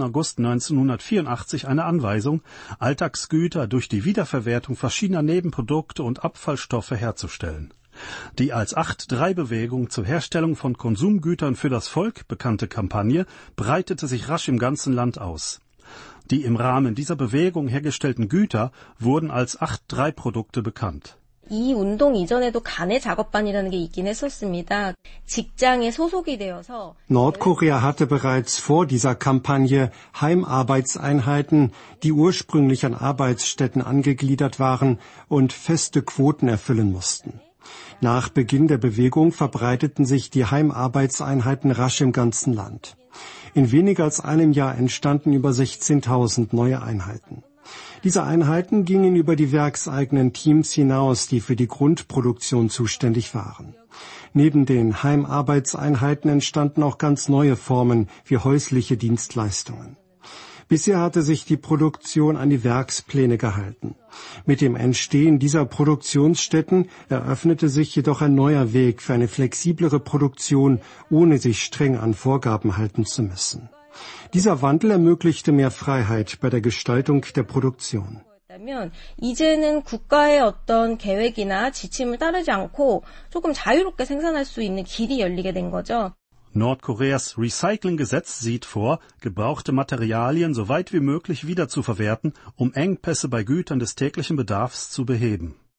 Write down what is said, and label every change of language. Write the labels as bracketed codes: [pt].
[de] August 1984 eine Anweisung, Alltagsgüter durch die Wiederverwertung verschiedener Nebenprodukte und Abfallstoffe herzustellen. Die als 8-3-Bewegung zur Herstellung von Konsumgütern für das Volk bekannte Kampagne breitete sich rasch im ganzen Land aus. Die im Rahmen dieser Bewegung hergestellten Güter wurden als 8-3-Produkte bekannt. [ko] 이 운동 이전에도 간의 작업반이라는 게 있긴 했었습니다. 직장에 소속이 되어서 [de] Nordkorea hatte bereits vor dieser Kampagne Heimarbeitseinheiten, die ursprünglich an Arbeitsstätten angegliedert waren und feste Quoten erfüllen mussten. Nach Beginn der Bewegung verbreiteten sich die Heimarbeitseinheiten rasch im ganzen Land. In weniger als einem Jahr entstanden über 16.000 neue Einheiten. Diese Einheiten gingen über die werkseigenen Teams hinaus, die für die Grundproduktion zuständig waren. Neben den Heimarbeitseinheiten entstanden auch ganz neue Formen wie häusliche Dienstleistungen. Bisher hatte sich die Produktion an die Werkspläne gehalten. Mit dem Entstehen dieser Produktionsstätten eröffnete sich jedoch ein neuer Weg für eine flexiblere Produktion, ohne sich streng an Vorgaben halten zu müssen. Dieser Wandel ermöglichte mehr Freiheit bei der Gestaltung der Produktion. [ko] 이제는 국가의 어떤 계획이나 지침을 따르지 않고 조금 자유롭게 생산할 수 있는 길이 열리게 된 거죠. [de] Nordkoreas Recyclinggesetz sieht vor, gebrauchte Materialien so weit wie möglich wiederzuverwerten, um Engpässe bei Gütern des täglichen Bedarfs zu beheben.